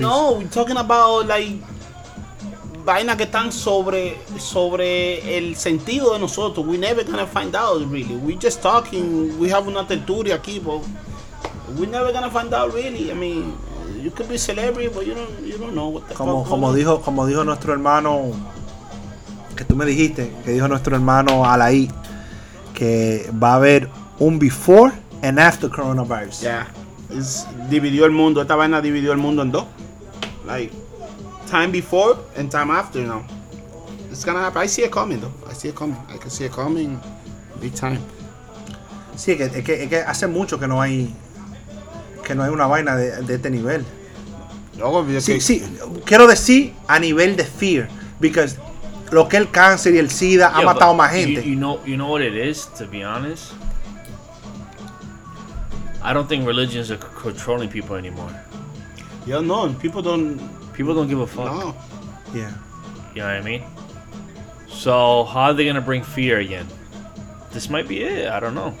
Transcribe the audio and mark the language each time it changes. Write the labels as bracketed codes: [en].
[en] No, we're talking about like [es] vaina que están sobre el sentido de nosotros. [en] We never gonna find out really. We just talking. We have [es] una tertulia aquí, [en] but we never gonna find out really. I mean, you could be celebrity, but you don't know what the [es] como, [en] fuck. [es] Como dijo nuestro hermano, que tú me dijiste, que dijo nuestro hermano Alaí. Que va a haber un [en] before and after coronavirus. Yeah. It's [es] dividió el mundo. Esta vaina dividió el mundo en dos. [en] Like, time before and time after, you know. It's gonna happen. I see it coming, though. I can see it coming big time. [es] Sí, es que hace mucho que no hay una vaina de este nivel. Luego, sí. Quiero decir a nivel de fear. [en] Because... [es] lo que el cáncer y el SIDA ha matado más gente. [en] You know what it is, to be honest? I don't think religions are controlling people anymore. Yeah, no, people don't give a fuck. No. Yeah. You know what I mean? So, how are they going to bring fear again? This might be it. I don't know.